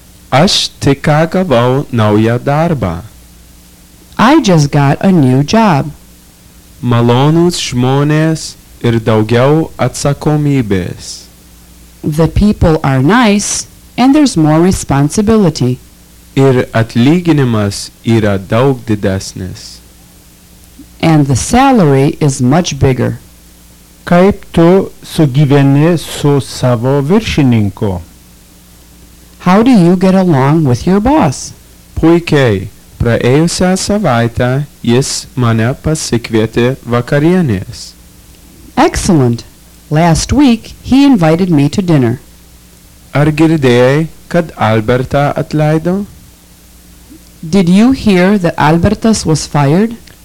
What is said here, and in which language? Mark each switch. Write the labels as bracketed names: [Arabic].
[Lithuanian] Aš tik ką gavau naują darbą. [English] I just got a new job. [Lithuanian] Malonūs žmonės ir daugiau atsakomybės. [English] The people are nice and there's more responsibility. [Lithuanian] Ir atlyginimas yra daug didesnis. [English] And the salary is much bigger. [Lithuanian] Kaip tu sugyveni su savo viršininku? [English] How do you get along with your boss? [Lithuanian] Puikiai. Praėjusią savaitę jis mane pasikvietė vakarienės. [English] Excellent. Last week he invited me to dinner. [Lithuanian] Ar girdėjai, kad Albertą atleido? [English] Did you hear that Albertas was fired?